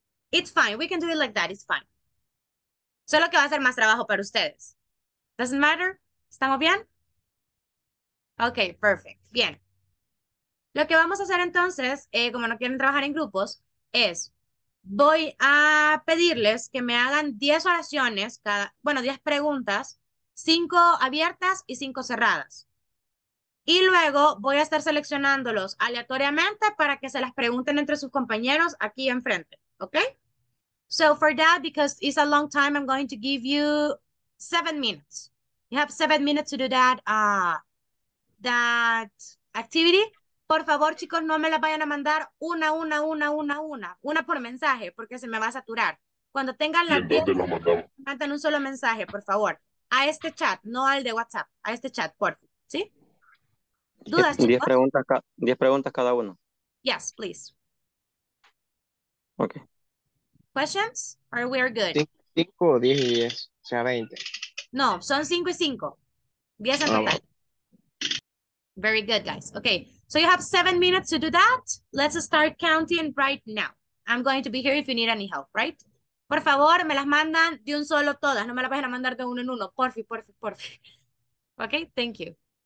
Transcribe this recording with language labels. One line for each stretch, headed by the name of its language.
English: It's fine, we can do it like that, it's fine.
Spanish: Solo que va a ser más trabajo para ustedes.
English: Doesn't matter,
Spanish: ¿estamos bien? Ok, perfect, bien. Lo que vamos a hacer entonces, como no quieren trabajar en grupos, es voy a pedirles que me hagan 10 oraciones, cada, bueno, 10 preguntas, 5 abiertas y 5 cerradas. Y luego voy a estar seleccionándolos aleatoriamente para que se las pregunten entre sus compañeros aquí enfrente, ¿ok?
English: So for that, because it's a long time, I'm going to give you 7 minutes. You have 7 minutes to do that, that activity.
Spanish: Por favor, chicos, no me las vayan a mandar una por mensaje, porque se me va a saturar. Cuando tengan la pregunta, manden un solo mensaje, por favor. A este chat, no al de WhatsApp, a este chat, por favor, ¿sí? ¿Dudas, chicos? 10 preguntas cada uno.
English: Yes, please. Okay. Questions? Or we are good?
Spanish: 5, 10 y 10. O sea, 20. No, son 5 y 5. 10 en total.
English: Very good, guys. Okay, so you have 7 minutes to do that. Let's start counting right now. I'm going to be here if you need any help, right?
Spanish: Por favor, me las mandan de un solo todas. No me las vayan a mandar de uno en uno. Porfi, porfi, porfi.
English: Okay, thank you.